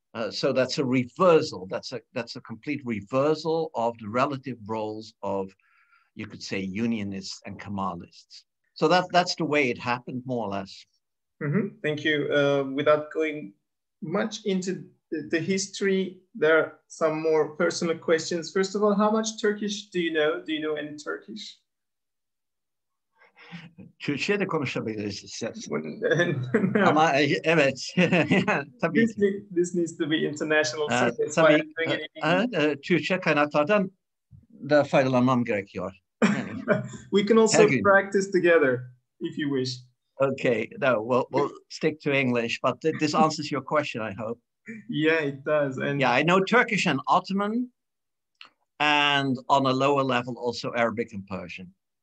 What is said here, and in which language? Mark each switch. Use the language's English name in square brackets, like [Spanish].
[English] So that's a reversal. That's a complete reversal of the relative roles of, you could say, unionists and Kemalists. So that's the way it happened, more or less. Mm-hmm. Thank you. Without going much into the history, there are some more personal questions. First of all, how much Turkish do you know? Do you know any Turkish? [Turkish] Türkçe'de konuşabiliriz istersen. Ama evet. Tabii. [English] This needs to be international. [Turkish] Tabii. Türkçe kaynaklardan da faydalanmam gerekiyor. [English] We can also practice together if you wish. Okay. No, we'll stick to English, but this answers your question, I hope. Yeah, it does. And yeah, I know Turkish and Ottoman, and on a lower level also Arabic and Persian.